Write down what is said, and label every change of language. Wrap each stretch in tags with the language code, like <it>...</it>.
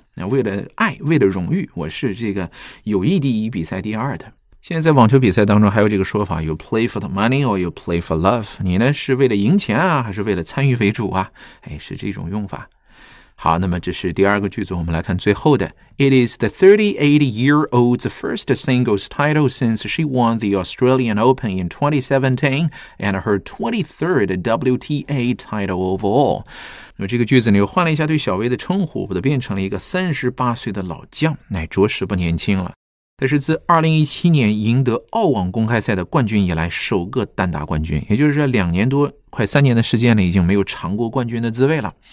<zh>那为了爱，为了荣誉，我是这个友谊第一，比赛第二的。现在在网球比赛当中还有这个说法 ，</zh> <en>you play for the money or you play for love，</en> <zh>你呢是为了赢钱啊，还是为了参与为主啊？哎，是这种用法。好，那么这是第二个句子，我们来看最后的。</zh> <en>It is the 38-year-old's first singles title since she won the Australian Open in 2017 and her 23rd WTA title overall.</en> <zh>那么这个句子呢，又换了一下对小薇的称呼，把它变成了一个38岁的老将，那着实不年轻了。这是自2017年赢得澳网公开赛的冠军以来首个单打冠军，也就是这两年多快三年的时间里已经没有尝过冠军的滋味了。</zh>